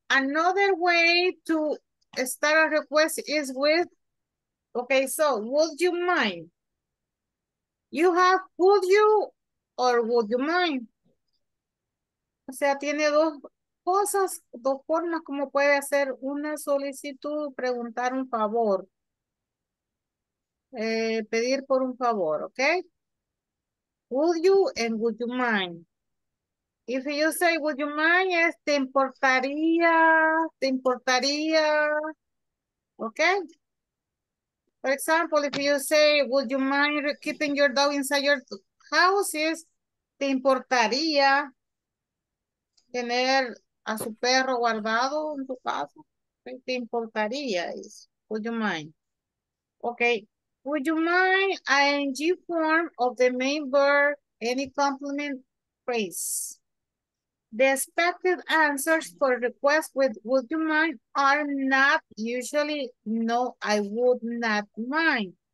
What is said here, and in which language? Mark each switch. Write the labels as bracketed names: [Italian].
[English] Another way to start a request is with, okay, so would you mind? You have would you or would you mind? [Spanish] O sea, tiene dos cosas, dos formas como puede hacer una solicitud, preguntar un favor. Pedir por un favor, [English] ¿ok? Would you and would you mind? If you say would you mind, [Spanish] es te importaría, [English] ¿ok? For example, if you say, would you mind keeping your dog inside your house? [Spanish] Is, ¿te importaría tener a su perro guardado en tu casa? ¿Te importaría? [English] Is, would you mind? Okay. Would you mind ing form of the main verb any complement phrase? The expected answers for requests with would you mind are not usually no, I would not mind.